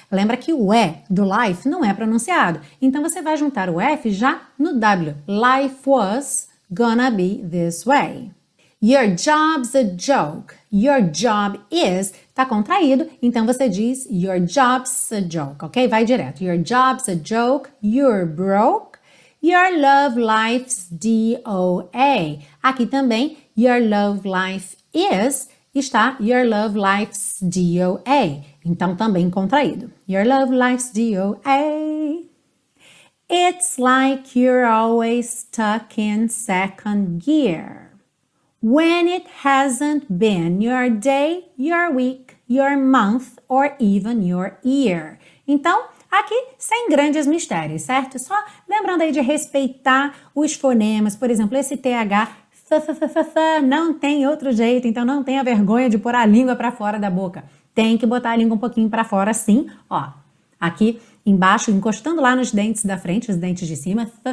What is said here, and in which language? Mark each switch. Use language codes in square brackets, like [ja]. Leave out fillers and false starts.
[pt] Lembra que o E do life não é pronunciado. Então você vai juntar o F já no W. [en] Life was gonna be this way. Your job's a joke. Your job is. [pt] Tá contraído, então você diz [en] your job's a joke, [pt] ok? Vai direto. [en] Your job's a joke. You're broke. Your love life's DOA. [pt] Aqui também, [en] your love life is. [pt] Está [en] your love life's DOA. [pt] Então também contraído. [en] Your love life's DOA. It's like you're always stuck in second gear. When it hasn't been your day, your week, your month, or even your year. [pt] Então, aqui sem grandes mistérios, certo? Só lembrando aí de respeitar os fonemas, por exemplo, esse TH. Não tem outro jeito, então não tenha vergonha de pôr a língua para fora da boca. Tem que botar a língua um pouquinho para fora, sim. Ó, aqui embaixo, encostando lá nos dentes da frente, os dentes de cima.